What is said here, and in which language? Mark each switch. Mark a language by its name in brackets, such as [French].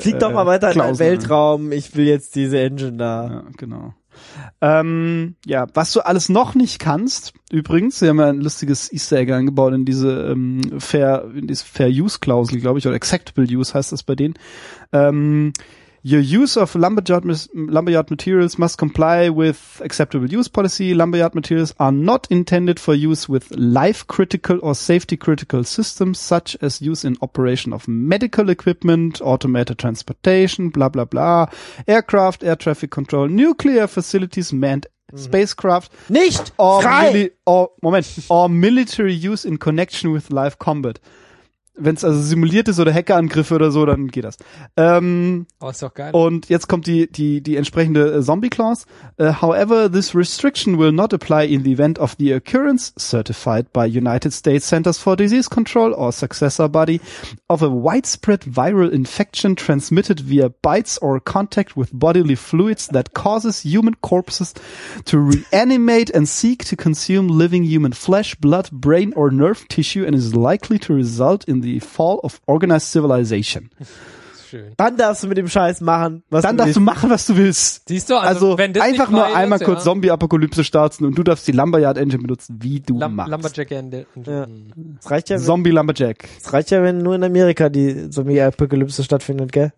[German] Flieg doch mal weiter Klausel. In den Weltraum, ich will jetzt diese Engine da. Ja, genau. Ja, was du alles noch nicht kannst, übrigens, wir haben ja ein lustiges Easter Egg eingebaut in diese Fair Use Klausel, glaube ich, oder Acceptable Use heißt das bei denen. [English] Your use of Lumberyard Materials must comply with Acceptable Use Policy. Lumberyard Materials are not intended for use with life critical or safety critical systems, such as use in operation of medical equipment, automated transportation, bla bla bla, aircraft, air traffic control, nuclear facilities, manned spacecraft. [German] Nicht [English] or [German] frei! [English] Or military use in connection with live combat. [German] Wenn es also simuliert ist oder Hackerangriffe oder so, dann geht das. Ist doch geil. Und jetzt kommt die entsprechende Zombie-Clause. However, this restriction will not apply in the event of the occurrence certified by United States Centers for Disease Control or successor body of a widespread viral infection transmitted via bites or contact with bodily fluids that causes human corpses to reanimate and seek to consume living human flesh, blood, brain or nerve tissue and is likely to result in the fall of organized civilization. Schön. Dann darfst du mit dem Scheiß machen, was du willst. Dann darfst du machen, was du willst. Siehst du? Also wenn das einfach nicht nur einmal kurz Zombie-Apokalypse starten und du darfst die Lumberyard Engine benutzen, wie du machst. Lumberjack Engine. Ja. Zombie Lumberjack. Es reicht ja, wenn nur in Amerika die Zombie-Apokalypse stattfindet, gell?